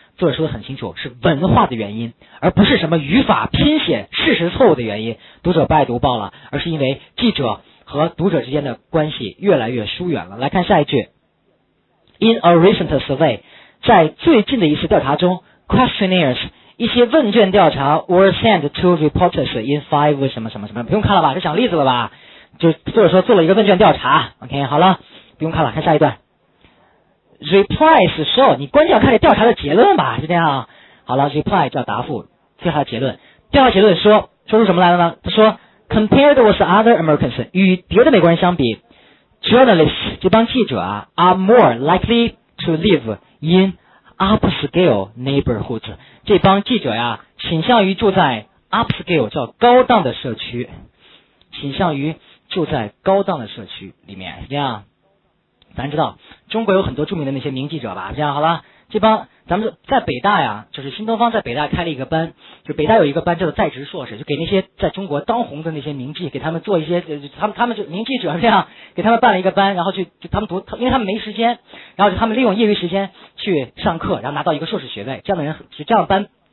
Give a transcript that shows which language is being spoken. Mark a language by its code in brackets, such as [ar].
[zh] 作者说得很清楚，是文化的原因，而不是什么语法拼写事实错误的原因读者不爱读报了，而是因为记者和读者之间的关系越来越疏远了。来看下一句， [en] In a recent survey， [zh] 在最近的一次调查中， [en] questionnaires [zh] 一些问卷调查 [en] were sent to reporters in five [zh] 什么什么什么，不用看了吧，就讲例子了吧，就作者说做了一个问卷调查， [en] OK， [zh] 好了，不用看了，看下一段。 [en] Replies show， [zh] 你关键要看这调查的结论吧，是这样。好了， reply 叫答复，调查结论。调查结论说，说出什么来了呢？他说 ， [en] compared with other Americans， [zh] 与别的美国人相比 ， [en] journalists [zh] 这帮记者啊 ， [en] are more likely to live in upscale neighborhoods。 [zh] 这帮记者呀，倾向于住在 upscale 叫高档的社区，倾向于住在高档的社区里面，是这样。咱知道中国有很多著名的那些名记者吧，这样好了，这帮咱们在北大呀，就是新东方在北大开了一个班，就北大有一个班叫做在职硕士，就给那些在中国当红的那些名记，给他们做一些，他们就名记者，这样给他们办了一个班，然后去就他们读，因为他们没时间，然后就他们利用业余时间去上课，然后拿到一个硕士学位，这样的人就这样班，